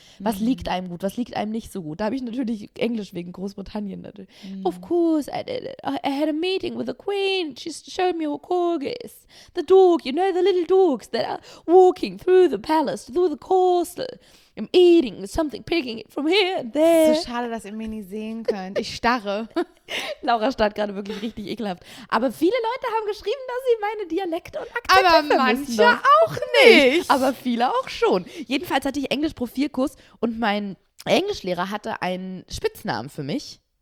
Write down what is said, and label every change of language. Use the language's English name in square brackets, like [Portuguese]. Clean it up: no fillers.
[German] Was liegt einem gut, was liegt einem nicht so gut? Da habe ich natürlich Englisch wegen Großbritannien natürlich. [English] Mm. Of course, I had a meeting with the Queen, she showed me her corgis, the dog, you know, the little dogs that are walking through the Palace, through the course, I'm eating something, picking it from here and there. [German] So schade, dass ihr mich nicht sehen könnt. Ich starre. Laura starrt gerade wirklich richtig ekelhaft. Aber viele Leute haben geschrieben, dass sie meine Dialekte und Akzente vermissen. Aber manche auch nicht. Aber viele auch schon. Jedenfalls hatte ich Englisch-Profilkurs und mein Englischlehrer hatte einen Spitznamen für mich.